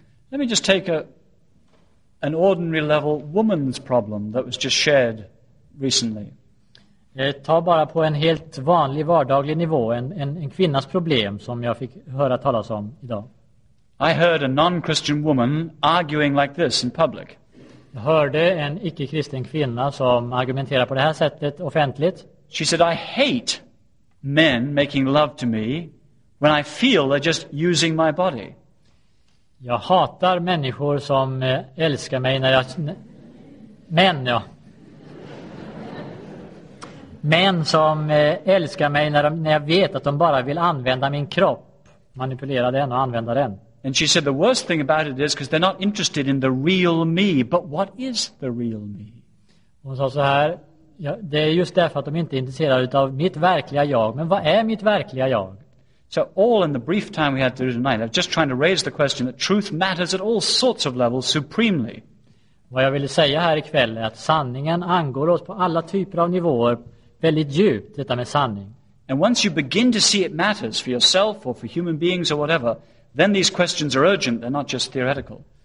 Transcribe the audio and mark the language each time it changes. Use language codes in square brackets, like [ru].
[en] Let me just take an ordinary level woman's problem that was just shared recently. [sv] Ta bara på en helt vanlig vardaglig nivå en kvinnas problem som jag fick höra talas om idag. [en] I heard a non-Christian woman arguing like this in public. [sv] Jag hörde en icke-kristen kvinna som argumenterar på det här sättet offentligt. [en] She said, I hate men making love to me when I feel they're just using my body. [sv] Jag hatar människor som älskar mig när jag män, ja. Män som älskar mig när jag vet att de bara vill använda min kropp, manipulera den och använda den. [en] And she said the worst thing about it is because they're not interested in the real me. But what is the real me? [sv] Hon sa så här, ja, det är just därför att de inte är intresserade av mitt verkliga jag. Men vad är mitt verkliga jag? [en] So all in the brief time we had to do tonight, I'm just trying to raise the question that truth matters at all sorts of levels supremely. [sv] Vad jag ville säga här ikväll är att sanningen angår oss på alla typer av nivåer väldigt djupt, detta med sanning. [en] And once you begin to see it matters for yourself or for human beings or whatever, then these questions are urgent, they're not just theoretical.